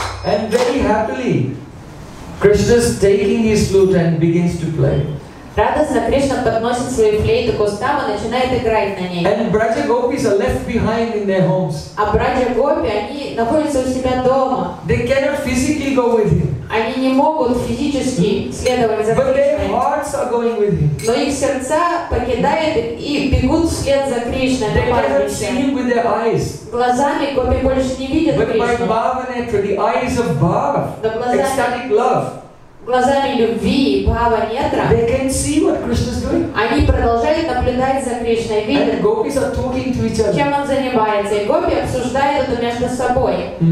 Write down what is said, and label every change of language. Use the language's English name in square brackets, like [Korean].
[English] And very happily, Krishna is taking his flute and begins to play. [Russian] Радостно Кришна подносит свою флейту к устам и начинает играть на ней. [English] And Braja Gopis are left behind in their homes. [Russian] А Браджа Гопи, они находятся у себя дома. [English] They cannot physically go with him. [Russian] Они не могут физически следовать за Кришной. [English] But their hearts are going with him. [Russian] Но их сердца покидают и бегут вслед за Кришной. [English] They cannot see him with their eyes. [Russian] Глазами Гопи больше не видят Кришну. [English] But by Bhavanetra, the eyes of Bhav, ecstatic love. [Russian] Глазами любви и Бхава Нетра [English] they can see what Krishna's doing. [Russian] Они продолжают наблюдать за Кришной, видят, [English] and gopis are talking to each other. [Russian] Чем он занимается, и гопи обсуждают это между собой.